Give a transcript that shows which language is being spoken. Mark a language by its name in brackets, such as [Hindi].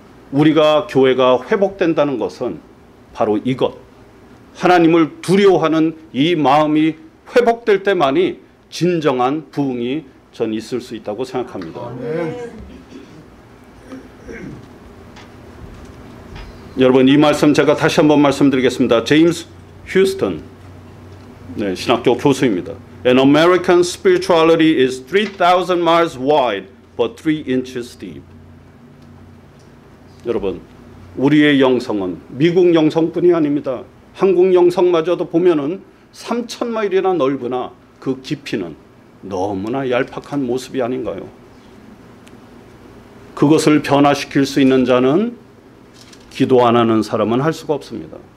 [Korean] 우리가 교회가 회복된다는 것은 바로 이것, 하나님을 두려워하는 이 마음이 회복될 때만이 진정한 부흥이 전 있을 수 있다고 생각합니다. 여러분, 이 말씀 제가 다시 한번 말씀드리겠습니다. 제임스 휴스턴, 네, 신학교 교수입니다. [English] An American spirituality is 3,000 miles wide but 3 inches deep. [Korean] 여러분, 우리의 영성은 미국 영성뿐이 아닙니다. 한국 영성마저도 보면은 3,000 마일이나 넓으나 그 깊이는 너무나 얄팍한 모습이 아닌가요? 그것을 변화시킬 수 있는 자는 기도 안 하는 사람은 할 수가 없습니다.